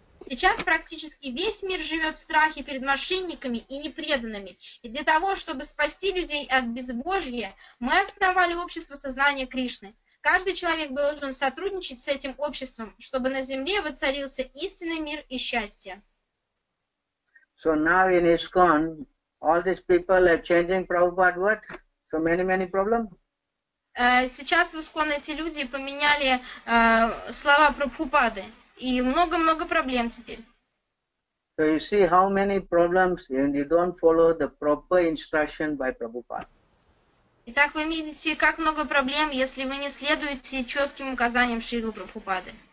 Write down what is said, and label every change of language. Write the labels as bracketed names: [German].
[Russian] Сейчас практически весь мир живет в страхе перед мошенниками и непреданными. И для того, чтобы спасти людей от безбожья, мы основали общество сознания Кришны. Каждый человек должен сотрудничать с этим обществом, чтобы на земле воцарился истинный мир и счастье. [English] So now in ISKCON, all these people are changing Prabhupada what? So many, many problems? [Russian] Сейчас в ISKCON эти люди поменяли слова Прабхупады. И много-много проблем теперь. [English] So you see how many problems if you don't follow the proper instruction by Prabhupada. [Russian] Итак, вы видите, как много проблем, если вы не следуете четким указаниям Шрилы Прабхупады.